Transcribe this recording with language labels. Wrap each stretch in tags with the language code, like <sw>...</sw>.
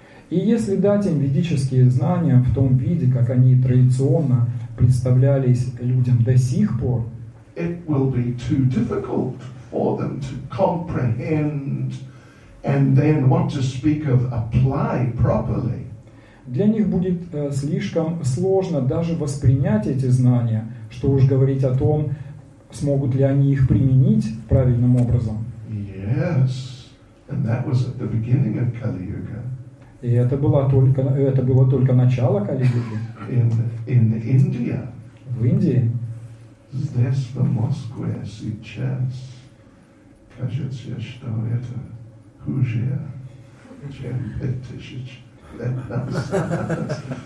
<ru>И если дать им ведические знания в том виде, как они традиционно представлялись людям до сих пор,</ru> <en>it will be too difficult for them to comprehend and then want to speak of apply properly.</en> <ru>Для них будет слишком сложно даже воспринять эти знания, что уж говорить о том, смогут ли они их применить правильным образом.</ru> <en>Yes. And that was at the beginning of Kali Yuga.</en> <ru>И это было только начало Кали Юги.</ru> <en>In India.</en> <ru>В Индии. Здесь, в Москве, сейчас, кажется, что это хуже, чем 5000 лет назад.</ru>